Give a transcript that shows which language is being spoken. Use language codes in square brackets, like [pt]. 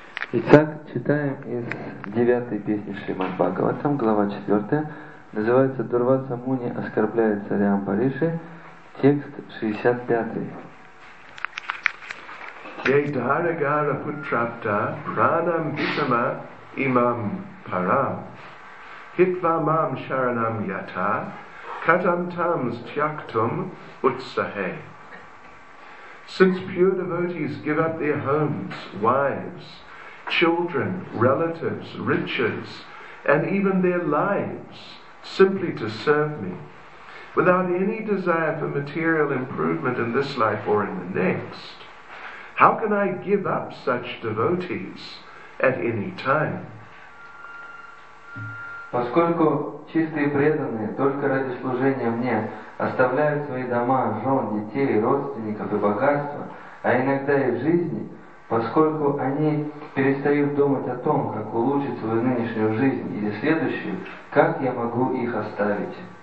[ru] Итак, читаем из 9-й песни Шримад Бхагаватам, глава 4, называется «Дурваса Муни оскорбляет царя Амбариши», текст 65-й. [en] Since pure devotees give up their homes, wives, children, relatives, riches, and even their lives simply to serve me, without any desire for material improvement in this life or in the next, how can I give up such devotees at any time? [ru] Поскольку чистые преданные только ради служения мне оставляют свои дома, жен, детей, родственников и богатства, а иногда и жизни, поскольку они перестают думать о том, как улучшить свою нынешнюю жизнь или следующую, как я могу их оставить?